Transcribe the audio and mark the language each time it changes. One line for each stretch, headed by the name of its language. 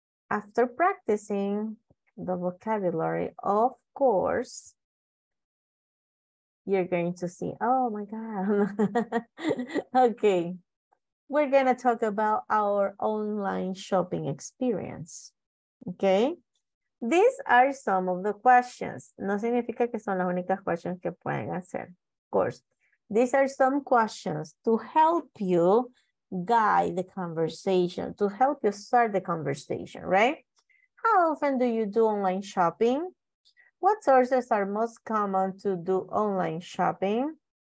English: After practicing the vocabulary, of course, you're going to see, oh my God. Okay, we're gonna talk about our online shopping experience. Okay, these are some of the questions.
Spanish: No significa que son las únicas questions que pueden hacer.
English: Of course, these are some questions to help you guide the conversation, to help you start the conversation, right? How often do you do online shopping? What sources are most common to do online shopping?